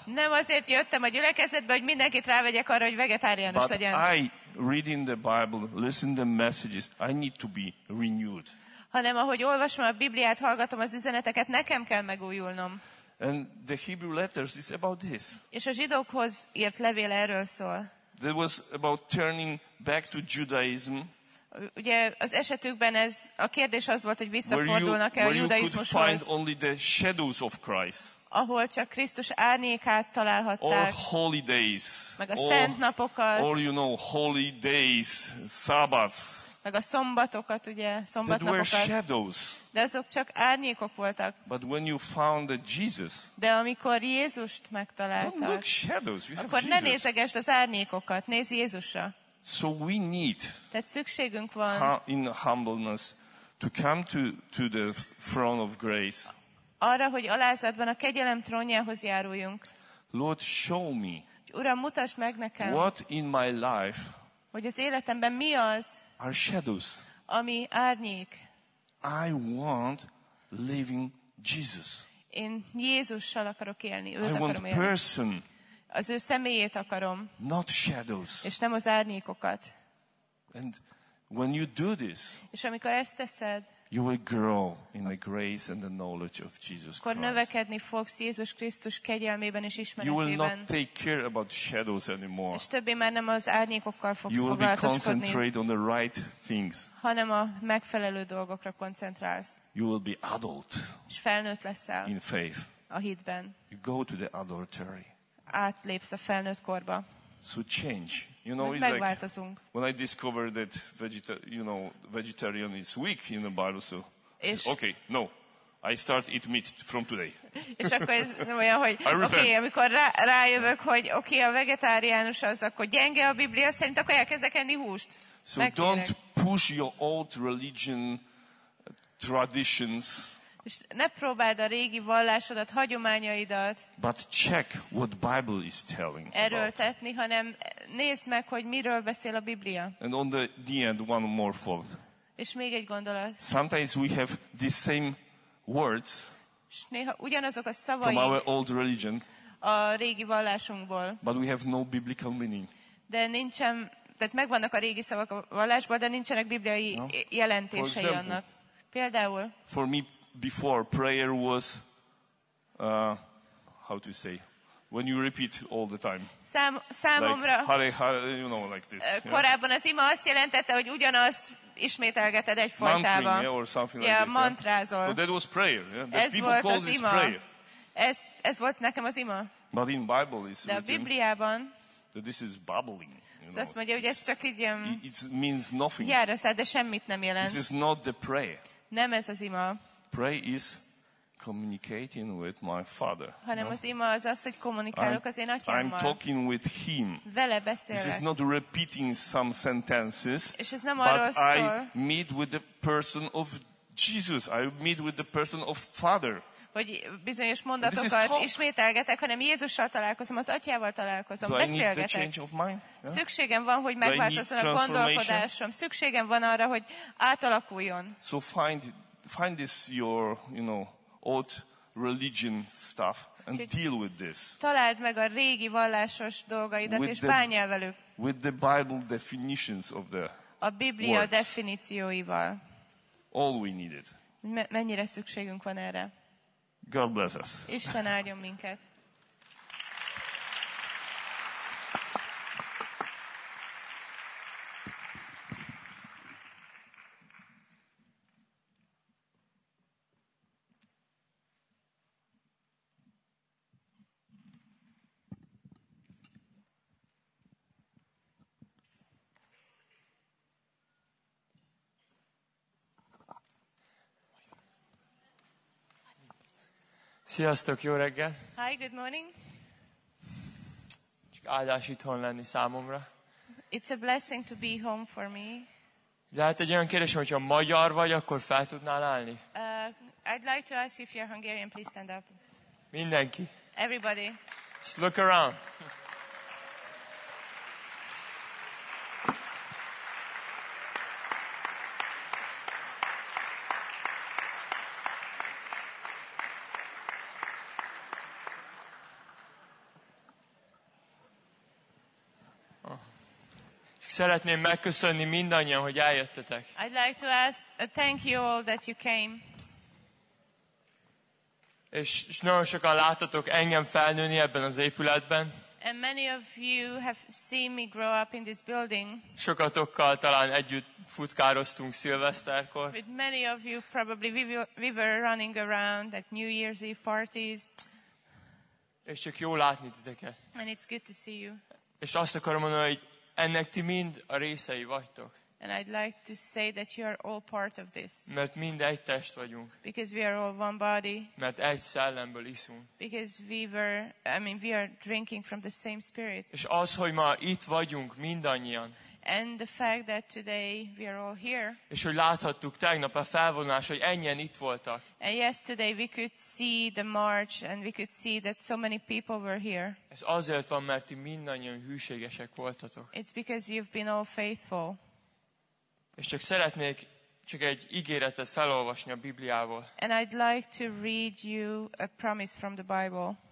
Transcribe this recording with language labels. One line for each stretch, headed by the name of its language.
Hungarian: Nem azért jöttem a gyülekezetbe, hogy mindenkit rávegyek arra, hogy vegetáriánus legyen.
English: But I, reading the Bible, listen the messages, I need to be renewed.
Hungarian: Hanem ahogy olvasom a Bibliát, hallgatom az üzeneteket, nekem kell megújulnom.
English: And the Hebrew letters is about this.
Hungarian: És a zsidókhoz írt levél erről szól.
English: It was about turning back to Judaism.
Hungarian: Ugye az esetükben ez a kérdés az volt, hogy visszafordulnak-e a judaizmushoz.
English: Where you could find only the shadows of Christ.
Hungarian: Ahol csak Krisztus árnyékát találhatták.
English: Or holy days.
Hungarian: Meg a szent napokat.
English: Or you know holy days, Sabbaths.
Hungarian: Meg a szombatokat, ugye, szombatnapokat. De azok csak árnyékok voltak.
English: But when you found Jesus,
Hungarian: de amikor Jézust megtaláltad,
English: don't look shadows, you
Hungarian: akkor
English: have Jesus.
Hungarian: Ne nézegesd az árnyékokat, nézz Jézusra.
English: So we need,
Hungarian: tehát szükségünk van
English: in humbleness to come to the throne of grace.
Hungarian: Arra, hogy alázatban a kegyelem trónjához járuljunk.
English: Lord, show me,
Hungarian: Uram, mutasd meg nekem,
English: what in my life,
Hungarian: hogy az életemben mi az,
English: are shadows.
Hungarian: Ami árnyék.
English: I want living Jesus.
Hungarian: Én Jézussal akarok élni.
English: I want person.
Hungarian: Az ő személyét akarom.
English: Not shadows.
Hungarian: És nem az árnyékokat.
English: And when you do this,
Hungarian: és amikor ezt teszed,
English: you will grow in the grace and the knowledge of Jesus Christ.
Hungarian: Akkor növekedni fogsz Jézus Krisztus kegyelmében és ismeretében.
English: You will not take care about shadows anymore.
Hungarian: És többé már nem az árnyékokkal fogsz foglalkozni.
English: You will concentrate on the right things.
Hungarian: Hanem a megfelelő dolgokra koncentrálsz.
English: You will be adult.
Hungarian: És felnőtt leszel.
English: In faith.
Hungarian: A hitben.
English: You go to the adultery.
Hungarian: Átlépsz a felnőtt korba.
English: So change. You know, it's like when I discovered that vegetarian is weak in the Bible, so okay, no, I start eat meat from today.
Hungarian: És akkor ez nem olyan, hogy oké, amikor rájövök, hogy oké, a vegetáriánus az, akkor gyenge a Biblia szerint, akkor elkezdek enni húst.
English: So don't push your old religion traditions.
Hungarian: És ne próbáld a régi vallásodat, hagyományaidat.
English: But check what Bible is telling.
Hungarian: Erőltetni, hanem nézd meg, hogy miről beszél a Biblia.
English: And on the end, one more thought.
Hungarian: És még egy gondolat.
English: Sometimes we have the same words.
Hungarian: És néha ugyanazok a szavaink.
English: From our old religion.
Hungarian: A régi vallásunkból.
English: But we have no biblical meaning.
Hungarian: De nincsen, tehát megvannak a régi szavak a vallásból, de nincsenek bibliai jelentései
English: for example,
Hungarian: annak. Például.
English: For me, before prayer was how to say when you repeat all the time
Hungarian: számomra
English: like, hare hare you know like this
Hungarian: korábban az ima azt jelentette, hogy ugyanazt ismételgeted egy folytában
English: or something like this,
Hungarian: mantrázol.
English: So that was prayer, yeah?
Hungarian: Ez volt az ima. Ez volt nekem az ima.
English: But in Bible is
Hungarian: a Bibliában
English: that this is babbling.
Hungarian: Szóval azt mondja, hogy ez csak így
English: it means nothing.
Hungarian: Járaszál, de semmit nem jelent.
English: This is not the prayer.
Hungarian: Nem ez az ima.
English: Pray is communicating with my father.
Hungarian: Hanem az ima az az, hogy kommunikálok az én atyámmal.
English: I'm talking with him.
Hungarian: Vele beszélek.
English: This is not repeating some sentences.
Hungarian: És ez nem arról szól.
English: But I meet with the person of Jesus. I meet with the person of father.
Hungarian: Hogy bizonyos mondatokat ismételgetek, hanem Jézussal találkozom, az atyával találkozom, beszélgetek. Szükségem van, hogy megváltozzon a gondolkodásom. Szükségem van arra, hogy átalakuljon.
English: So find this your, you know, old religion stuff and deal with this.
Hungarian: Találd meg a régi vallásos dolgaidat és bánj el velük.
English: With the Bible definitions of the
Hungarian: a Biblia definícióival.
English: All we needed.
Hungarian: Mennyire szükségünk van erre?
English: God bless us.
Hungarian: Isten áldjon minket. Sziasztok, jó reggel!
English: Hi, good morning!
Hungarian: Csak áldás itthon lenni számomra.
English: It's a blessing to be home for me.
Hungarian: Lehet egy olyan kérdés, hogyha magyar vagy, akkor fel tudnál állni?
English: I'd like to ask you if you're Hungarian, please stand up.
Hungarian: Mindenki.
English: Everybody. Just look around.
Hungarian: Szeretném megköszönni mindannyian, hogy eljöttetek.
English: I'd like to ask, thank you all that you came.
Hungarian: És nagyon sokan láttatok engem felnőni ebben az épületben.
English: And many of you have seen me grow up in this building.
Hungarian: Sokatokkal talán együtt futkároztunk szilveszterkor.
English: With many of you probably we were running around at New Year's Eve parties.
Hungarian: És csak jó látni titeket.
English: And it's good to see you.
Hungarian: És azt akarom mondani, hogy ennek ti mind a részei vagytok.
English: And I'd like to say that you are all part of this.
Hungarian: Mert mind egy test vagyunk.
English: Because we are all one body.
Hungarian: Mert egy szellemből iszunk.
English: Because we are drinking from the same spirit.
Hungarian: És az, hogy ma itt vagyunk mindannyian.
English: And the fact that today we are all here.
Hungarian: És hogy láthattuk tegnap a felvonás, hogy ennyien itt voltak.
English: And yesterday we could see the march and we could see that so many people were here.
Hungarian: Ez azért van, mert ti mindannyian hűségesek voltatok.
English: It's because you've been all faithful.
Hungarian: És csak szeretnék csak egy ígéretet felolvasni a Bibliából.
English: And I'd like to read you a promise from the Bible.